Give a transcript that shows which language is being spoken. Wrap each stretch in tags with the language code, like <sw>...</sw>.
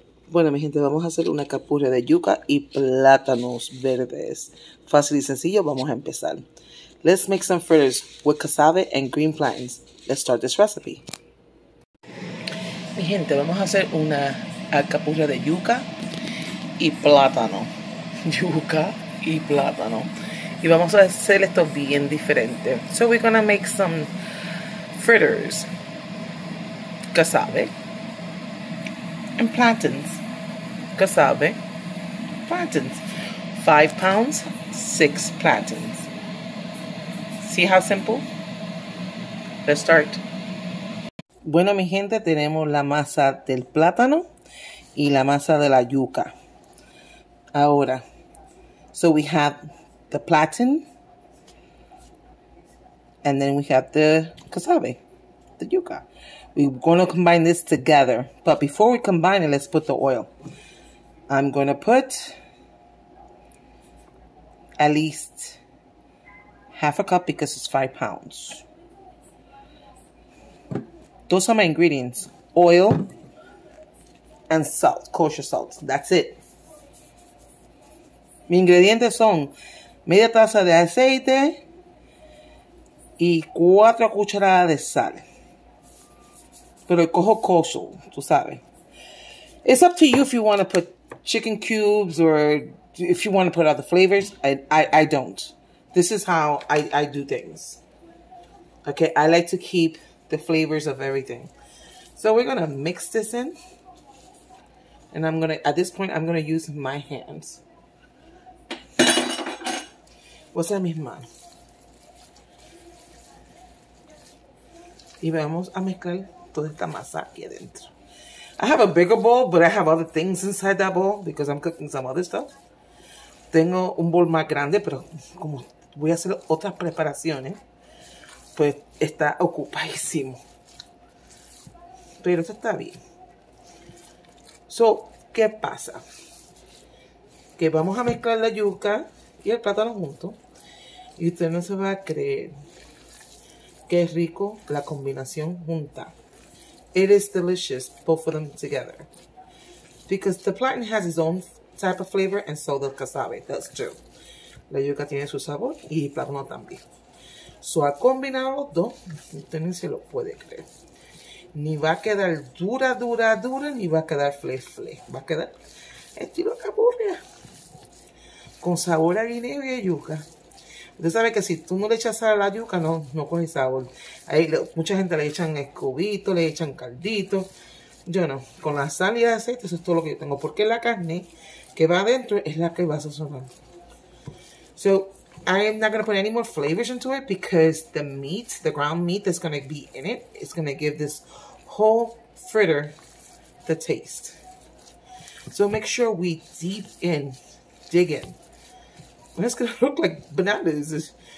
<es>Bueno, mi gente, vamos a hacer una capurria de yuca y plátanos verdes. Fácil y sencillo, vamos a empezar.</es> <en>Let's make some fritters with cassava and green plantains. Let's start this recipe.</en> <es>Mi gente, vamos a hacer una alcapurria de yuca y plátano. Yuca y plátano. Y vamos a hacer esto bien diferente.</es> <en>So we're gonna make some fritters. Cassava. And plantains, cassava, plantains. 5 pounds, 6 plantains. See how simple? Let's start.</en> <es>Bueno, mi gente, tenemos la masa del plátano y la masa de la yuca. Ahora,</es> <en>so we have the platano, and then we have the cassava, the yuca. We're going to combine this together. But before we combine it, let's put the oil. I'm going to put at least half a cup because it's 5 pounds. Those are my ingredients. Oil and salt, kosher salt. That's it.</en> <es>Mi ingredientes son media taza de aceite y 4 cucharadas de sal. Pero cojo coso, tú sabes.</es> <en>It's up to you if you want to put chicken cubes or if you want to put other flavors. I don't. This is how I do things. Okay, I like to keep the flavors of everything. So we're going to mix this in. And I'm going to, at this point, I'm going to use my hands. What's that mean?</en> <es>Y vamos a mezclar toda esta masa aquí adentro.</es> <en>I have a bigger bowl, but I have other things inside that bowl because I'm cooking some other stuff.</en> <es>Tengo un bowl más grande, pero como voy a hacer otras preparaciones, pues está ocupadísimo. Pero eso está bien. So, ¿qué pasa? Que vamos a mezclar la yuca y el plátano junto. Y usted no se va a creer. Qué rico la combinación junta.</es> <en>It is delicious, both of them together. Because the platano has its own type of flavor, and so does cassava. That's true.</en> <es>La yuca tiene su sabor, y el plátano también.</es> <en>So,</en> <es>a combinar los dos, usted ni se lo puede creer. Ni va a quedar dura, dura, dura, ni va a quedar fle, fle. Va a quedar estilo capurria. Con sabor a guineo y a yuca. Usted sabe que si tú no le echas sal a la yuca, no coge sabor. Ahí, mucha gente le echan escobito, le echan caldito. Yo no. Con la sal y el aceite, eso es todo lo que yo tengo. Porque la carne que va adentro es la que va a sazonar.</es> <en>So, I'm not going to put any more flavors into it because the meat, the ground meat that's going to be in it, is going to give this whole fritter the taste. So, make sure we deep in, dig in. And it's gonna look like bananas.</en>